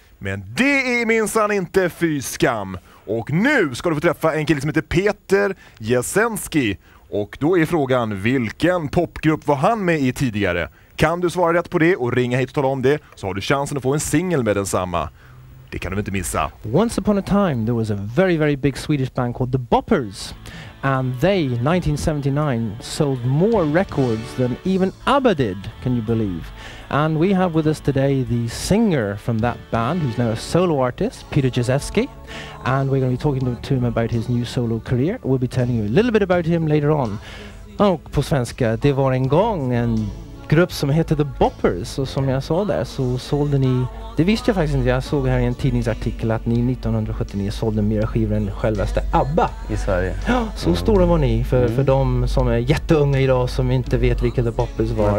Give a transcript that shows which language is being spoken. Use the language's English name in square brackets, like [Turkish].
[Swedish] Men det är minsann inte fy skam. Och nu ska du få träffa en kille som heter Peter Jezewski. Och då är frågan, vilken popgrupp var han med i tidigare? Kan du svara rätt på det och ringa hit och tala om det, så har du chansen att få en singel med densamma. Det kan du inte missa. [English] Once upon a time there was a very very big Swedish band called The Boppers. And they, 1979, sold more records than even ABBA did, can you believe? And we have with us today the singer from that band, who's now a solo artist, Peter Jezewski. And we're going to be talking to him about his new solo career. We'll be telling you a little bit about him later on. [Swedish] Och på svenska, det var en gång en grupp som heter The Boppers. Och som jag sa där så sålde ni, det visste jag faktiskt inte, jag såg här i en tidningsartikel att ni 1979 sålde mera skivor än självaste ABBA i Sverige. Ja, så stora var ni för de som är jätteunga idag som inte vet vilka The Boppers var.